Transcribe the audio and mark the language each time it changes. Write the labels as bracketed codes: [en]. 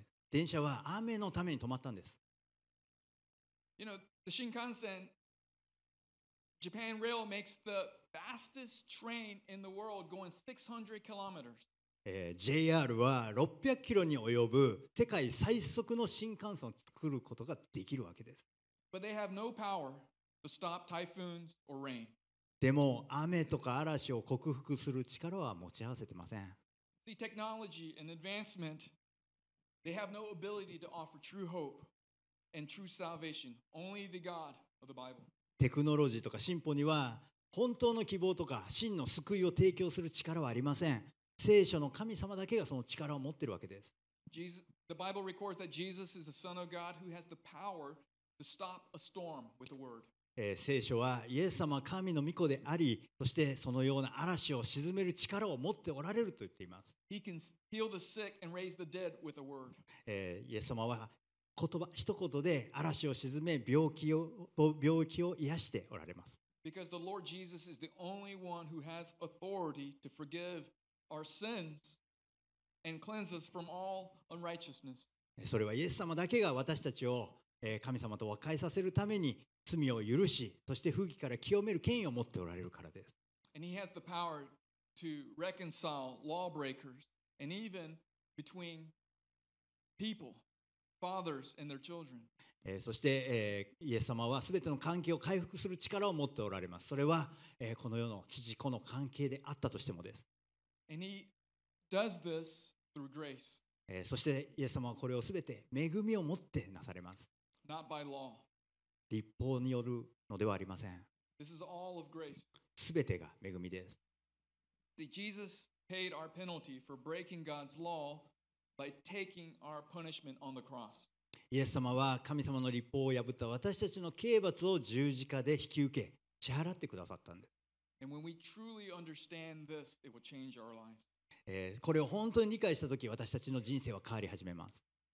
[ja] 電車は雨のために止まったんです。 [en] You know, the Shinkansen, Japan Rail makes the fastest train in the world going 600 kilometers. [ja] JR は600キロに及ぶ世界最速の新幹線を作ることができるわけです。 [en] But they have no power to stop typhoons or rain. [ja] でも雨とか嵐を克服する力は持ち合わせてません。 [en] Technology and advancement, they have no ability to offer true hope and true salvation. Only the God of the Bible. [ja] テクノロジーとか進歩には本当の希望とか真の救いを提供する力はありません。聖書の神様だけがその力を持っているわけです。 [en] The Bible records that Jesus is the Son of God who has the power to stop a storm with a word. [ja] 聖書はイエス様は神の御子であり、そしてそのような嵐を鎮める力を持っておられると言っています。 [en] He can heal the sick and raise the dead with a word. [ja] イエス様は言葉一言で嵐を鎮め病気を癒しておられます。 [en] Because the Lord Jesus is the only one who has authority to forgive our sins and cleanse us from all unrighteousness. [ja] それはイエス様だけが私たちを神様と和解させるために罪を許し、そして不義から清める権威を持っておられるからです。 [en] And he has the power to reconcile lawbreakers and even between people, fathers and their children. [ja] そして、イエス様はすべての関係を回復する力を持っておられます。それは、この世の父子の関係であったとしてもです。 [en] And he does this through grace. [ja] そして、イエス様はこれをすべて恵みを持ってなされます。 [en] Not by law. [ja] 立法によるのではありません。 [en] This is all of grace. [ja] すべてが恵みです。 [en] See, Jesus paid our penalty for breaking God's law by taking our punishment on the cross. [ja] イエス様は神様の立法を破った私たちの刑罰を十字架で引き受け、支払ってくださったんです。 [en] And when we truly understand this, it will change our lives. [ja] これを本当に理解したとき、私たちの人生は変わり始めます。